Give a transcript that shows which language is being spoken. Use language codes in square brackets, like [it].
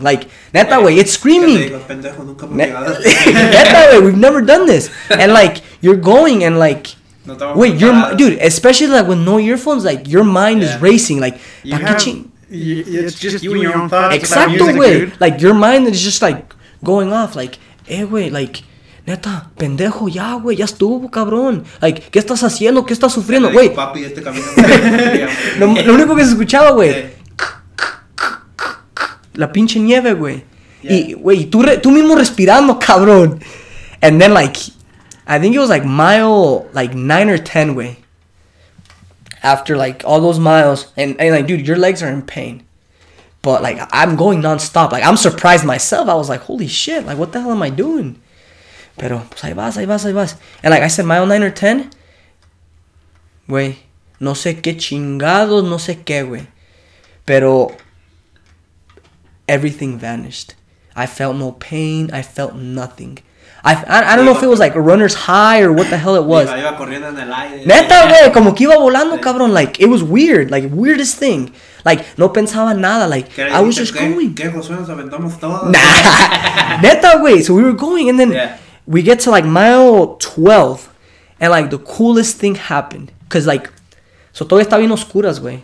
[en] Like, not that way. It's screaming. Not that way. We've never done this. And, like, you're going and, like, wait, you're, dude, especially, like, with no earphones, like, your mind is racing. Like, it's just you and your own thoughts. Exactly, way. Like, your mind is just, like, going off. [es] Like, eh, wey, like, neta, pendejo, ya, güey, ya estuvo, cabrón. Like, ¿qué estás haciendo? ¿Qué estás sufriendo, güey? Papi, este camino. Lo único que se escuchaba, güey. La pinche nieve, güey. Yeah. Y, güey, tú mismo respirando, cabrón. [en] And then, like, I think it was, like, mile, like, 9 or 10, güey. After, like, all those miles. And, like, dude, your legs are in pain. But, like, I'm going nonstop. Like, I'm surprised myself. I was like, holy shit. Like, what the hell am I doing? [es] Pero, pues ahí vas, ahí vas, ahí vas. [en] And like I said, mile 9 or 10, [es] güey, no sé qué chingados, no sé qué, güey. [en] Pero, everything vanished. I felt no pain, I felt nothing. I don't know if it was like a runner's high or what the hell it was. [es] Iba corriendo en el aire. Neta, güey, como que iba volando, cabrón. [en] Like, it was weird, like, weirdest thing. Like, [es] no pensaba nada, [en] like, I was just going. [es] ¿Qué, José, nos aventamos todos? Nah, neta, güey, [en] so we were going and then... Yeah. We get to, like, mile 12, and, like, the coolest thing happened. Because, like, so [es] todavía está bien oscuras, güey.